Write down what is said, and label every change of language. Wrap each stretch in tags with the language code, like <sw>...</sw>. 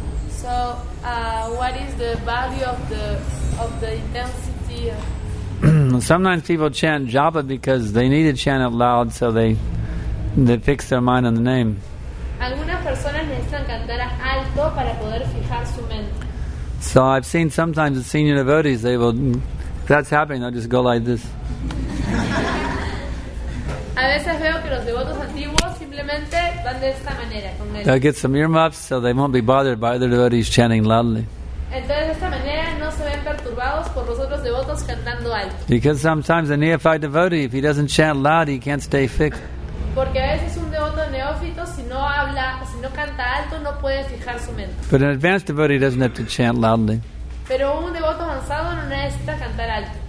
<en>So, what is the value of the intensity? Sometimes people chant japa because they need to chant it loud, so they fix their mind on the name.</en> <es>Algunas personas necesitan cantar alto para poder fijar su mente.</es> <en>So I've seen sometimes the senior devotees, they will, if that's happening, they'll just go like this.</en> <es>A veces veo que los devotos antiguos simplemente van de esta manera con él.</es> <en>They'll get some earmuffs so they won't be bothered by other devotees chanting loudly.</en> <es>Entonces de esta manera no se ven perturbados por los otros devotos cantando alto.</es> <en>Because sometimes a neophyte devotee, if he doesn't chant loud, he can't stay fixed.</en> <es>Porque a veces un devoto neófito, si no habla, si no canta alto, no puede fijar su mente.</es> <en>But an advanced devotee doesn't have to chant loudly.</en> <es>Pero un devoto avanzado no necesita cantar alto.</es>